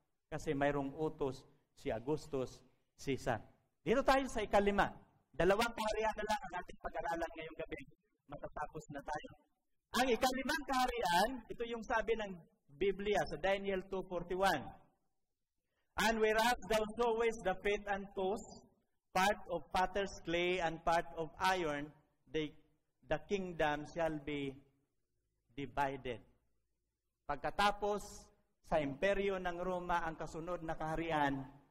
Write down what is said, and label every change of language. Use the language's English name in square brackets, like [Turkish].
[Filipino] Kasi mayroong utos si Augustus Caesar. Dito tayo sa ikalima. Dalawang kaharian na lang ang ating pag-aralan ngayong gabi. Matatapos na tayo. Ang ikalimang kaharian, ito yung sabi ng Biblia sa Daniel 2:41. [English] And whereas thou sawest the feet and toes, part of potter's clay and part of iron, the kingdom shall be divided. [Filipino] Pagkatapos sa imperyo ng Roma, ang kasunod na kaharian